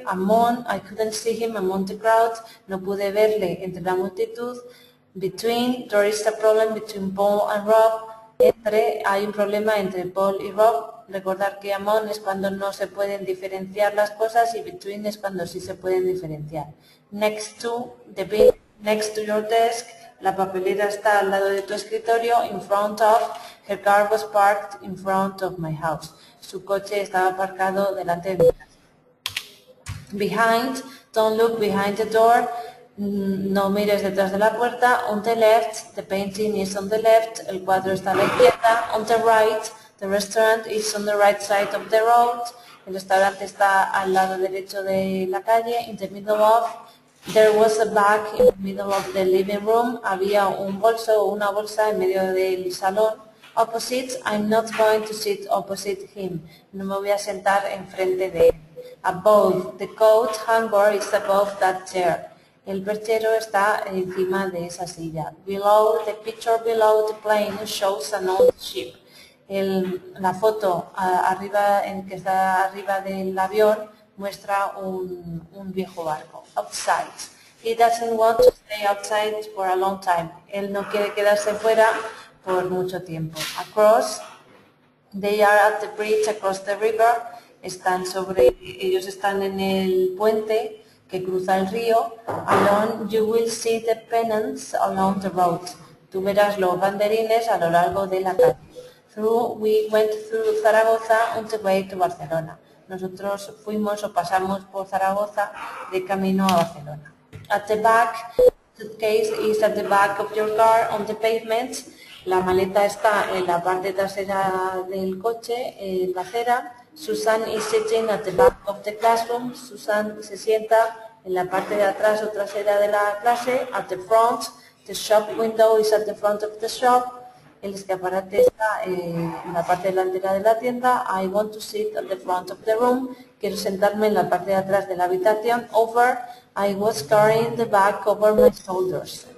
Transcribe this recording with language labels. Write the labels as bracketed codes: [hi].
[en] Among, I couldn't see him among the crowd. [es] No pude verle entre la multitud. [en] Between, there is a problem between Paul and Rob. [es] Entre, hay un problema entre Paul y Rob. Recordar que among es cuando no se pueden diferenciar las cosas y between es cuando sí se pueden diferenciar. [en] Next to, the bin, next to your desk. [es] La papelera está al lado de tu escritorio. [en] In front of, her car was parked in front of my house. [es] Su coche estaba aparcado delante de mi casa. [en] Behind, don't look behind the door. [es] No mires detrás de la puerta. [en] On the left, the painting is on the left. [es] El cuadro está a la izquierda. [en] On the right, the restaurant is on the right side of the road. [es] El restaurante está al lado derecho de la calle. [en] In the middle of, there was a bag in the middle of the living room. [es] Había un bolso o una bolsa en medio del salón. [en] Opposite, I'm not going to sit opposite him. [es] No me voy a sentar enfrente de él. [en] Above, the coat hanger is above that chair. [es] El perchero está encima de esa silla. [en] Below, the picture below the plane shows an old ship. [es] La foto arriba, en que está arriba del avión, muestra un viejo barco. [en] Outside, he doesn't want to stay outside for a long time. [es] Él no quiere quedarse fuera por mucho tiempo. [en] Across, they are at the bridge across the river. [es] Ellos están en el puente que cruza el río. [en] Along, you will see the pennants along the road. [es] Tú verás los banderines a lo largo de la calle. [en] Through, we went through Zaragoza on the way to Barcelona. [es] Nosotros fuimos o pasamos por Zaragoza de camino a Barcelona. [en] At the back, suitcase is at the back of your car on the pavement. [es] La maleta está en la parte trasera del coche, en la acera. [en] Susan is sitting at the back of the classroom. [es] Susan se sienta en la parte de atrás o trasera de la clase. [en] At the front, the shop window is at the front of the shop. [es] El escaparate está en la parte delantera de la tienda. [en] I want to sit at the front of the room. [es] Quiero sentarme en la parte de atrás de la habitación. [en] Over, I was carrying the bag over my shoulders.